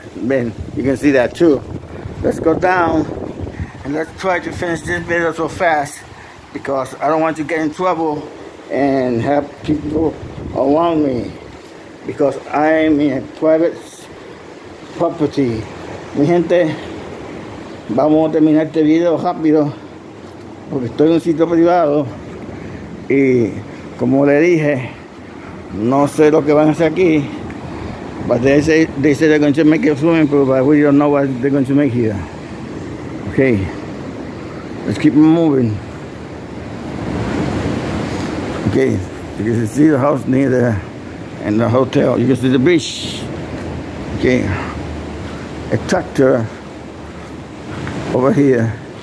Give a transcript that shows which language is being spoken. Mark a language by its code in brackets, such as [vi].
[en] Ben, you can see that too. Let's go down and let's try to finish this video so fast because I don't want to get in trouble and have people around me because I am in a private property. [es] Mi gente, vamos a terminar este video rápido porque estoy en un sitio privado y como le dije, no sé lo que van a hacer aquí. [en] But they say they're going to make a swimming pool, but we don't know what they're going to make here. Okay, let's keep moving. Okay, you can see the house near there and the hotel. You can see the beach. Okay, a tractor over here.